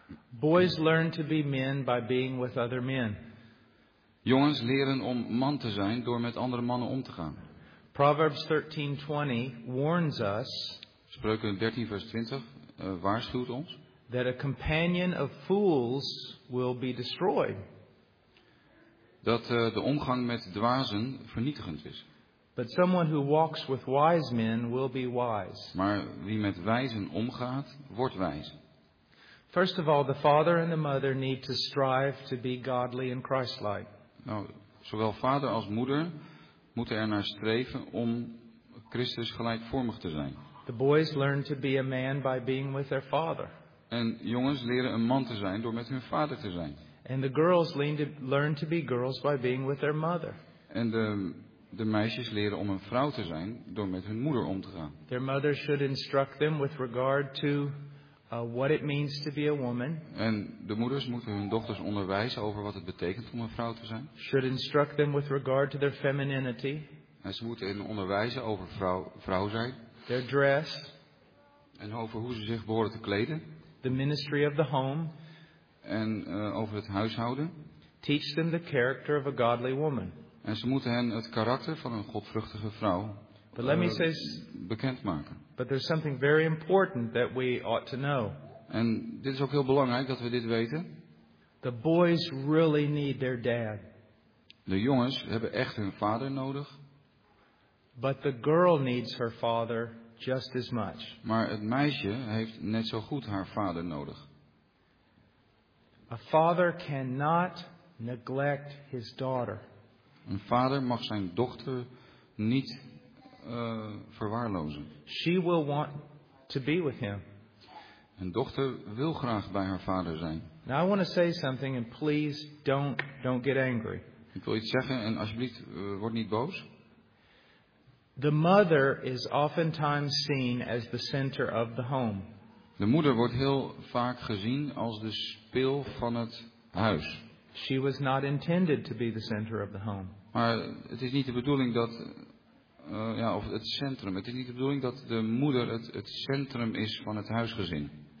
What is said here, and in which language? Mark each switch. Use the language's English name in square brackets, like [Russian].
[English] Boys learn to be men by being with other men. [Dutch] Jongens leren om man te zijn door met andere mannen om te gaan. [English] Proverbs 13:20 warns us. [Dutch] Spreuken 13 vers 20 waarschuwt ons. [English] That a companion of fools will be destroyed. [Dutch] Dat de omgang met dwazen vernietigend is. [English] But someone who walks with wise men will be wise. [Dutch] Maar wie met wijzen omgaat, wordt wijs. [English] First of all, the father and the mother need to strive to be godly and Christ-like. [Dutch] Nou, zowel vader als moeder moeten er naar streven om Christus gelijkvormig te zijn. [English] The boys learn to be a man by being with their father. [Dutch] En jongens leren een man te zijn door met hun vader te zijn. [English] And the girls learn to be girls by being with their mother. [Dutch] En de meisjes leren om een vrouw te zijn door met hun moeder om te gaan. [English] Their mother should instruct them with regard to what it means to be a woman. [Dutch] En de moeders moeten hun dochters onderwijzen over wat het betekent om een vrouw te zijn. [English] Should instruct them with regard to their femininity. [Dutch] En ze moeten hen onderwijzen over vrouw zijn. [English] Their dress. [Dutch] En over hoe ze zich behoren te kleden. [English] The ministry of the home. [Dutch] En over het huishouden. [English] Teach them the character of a godly woman. [Dutch] En ze moeten hen het karakter van een godvruchtige vrouw bekendmaken. [English] But there's something very important that we ought to know. [Dutch] En dit is ook heel belangrijk dat we dit weten. [English] The boys really need their dad. [Dutch] De jongens hebben echt hun vader nodig. [English] But the girl needs her father just as much. [Dutch] Maar het meisje heeft net zo goed haar vader nodig. [English] A father cannot neglect his daughter. [Dutch] Een vader mag zijn dochter niet verwaarlozen. [English] She will want to be with him. [Dutch] Een dochter wil graag bij haar vader zijn. [English] Now I want to say something and please don't get angry. [Dutch] Ik wil iets zeggen en alsjeblieft word niet boos. [English] The mother is oftentimes seen as the center of the home. [Dutch] De moeder wordt heel vaak gezien als de spil van het huis. [English] She was not intended to be the center of the home. [Dutch] Maar het is niet de bedoeling dat of het centrum. Het is niet de bedoeling dat de moeder het centrum is van het huisgezin.